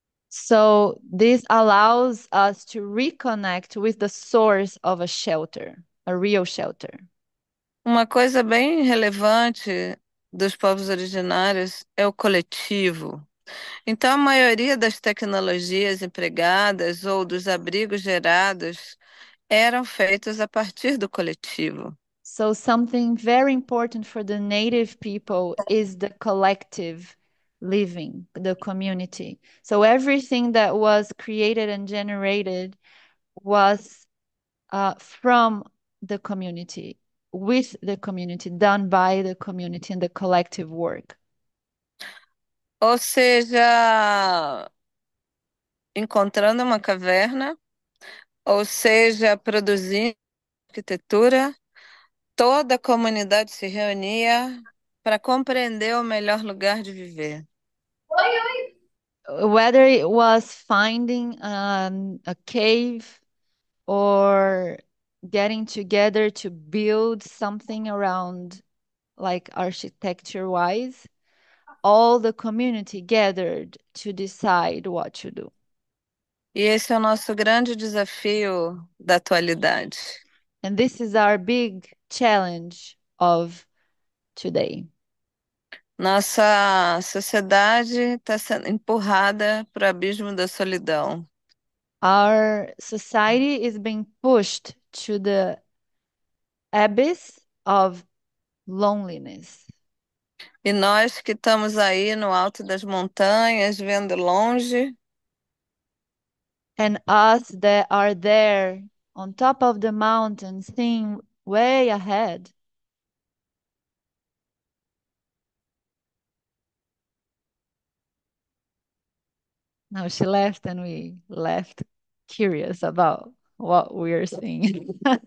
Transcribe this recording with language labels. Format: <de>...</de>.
<en>So, this allows us to reconnect with the source of a shelter, a real shelter.</en> <pt>Uma coisa bem relevante dos povos originários é o coletivo. Então, a maioria das tecnologias empregadas ou dos abrigos gerados eram feitos a partir do coletivo.</pt> <en>So, something very important for the native people is the collective. Living the community. So everything that was created and generated was from the community, with the community, done by the community and the collective work.</en> <pt>Ou seja, encontrando uma caverna, ou seja, produzindo arquitetura, toda a comunidade se reunia para compreender o melhor lugar de viver.</pt> <en>Whether it was finding a cave or getting together to build something around, like architecture-wise, all the community gathered to decide what to do.</en> <pt>E esse é o nosso grande desafio da atualidade.</pt> <en>And this is our big challenge of today.</en> <pt>Nossa sociedade está sendo empurrada para o abismo da solidão.</pt> <en>Our society is being pushed to the abyss of loneliness.</en> <pt>E nós que estamos aí no alto das montanhas, vendo longe.</pt> <en>And us that are there on top of the mountain, seeing way ahead. Now she left and we left. Curious about what we are seeing.</en>